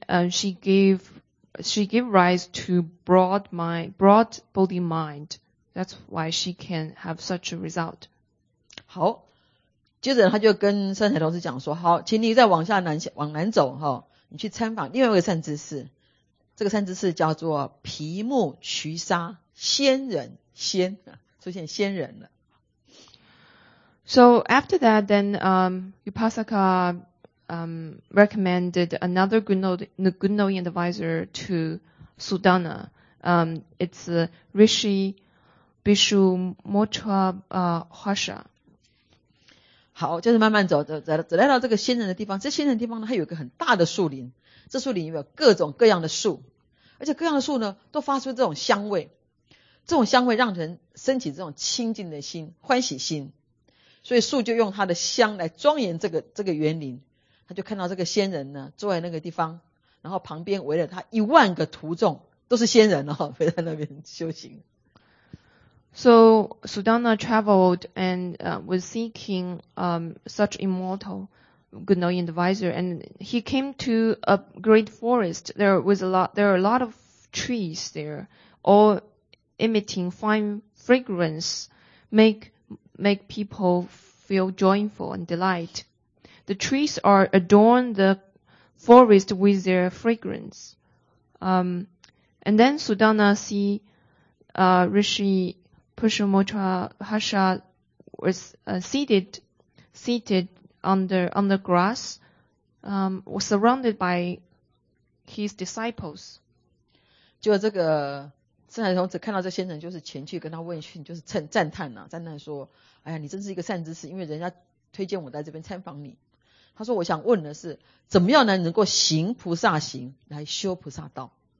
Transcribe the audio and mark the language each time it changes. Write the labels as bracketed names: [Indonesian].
[English] She gave rise to broad Bodhi mind. That's why she can have such a result. [Chinese] 好，接着他就跟善财童子讲说：“好，请你再往南走，哈。” 你去参访另外一个善知识，这个善知识叫做皮木徐沙仙人仙，出现仙人了。 [English] So after that, then Upasaka recommended another good knowing advisor to Sudana. It's Rishi Bishu Mocha Hasha. [Chinese] 好，就是慢慢走来到这个仙人的地方。这仙人的地方呢，它有一个很大的树林。这树林有各种各样的树，而且各样的树呢都发出这种香味，这种香味让人升起这种清净的心、欢喜心，所以树就用它的香来庄严这个园林。他就看到这个仙人呢坐在那个地方，然后旁边围了他一万个徒众，都是仙人哦，围在那边修行。 [English] So Sudana traveled and was seeking such immortal. Good knowing advisor, and he came to a great forest. There are a lot of trees there, all emitting fine fragrance, make people feel joyful and delight. The trees are adorn the forest with their fragrance. And then Sudana see Rishi Pushumotra Hasha was seated. Under grass, was surrounded by his disciples. [Chinese] 就这个善财童子看到这仙人，就是前去跟他问讯，就是赞叹说：“哎呀，你真是一个善知识，因为人家推荐我在这边参访你。” 他说：“我想问的是，怎么样能够行菩萨行来修菩萨道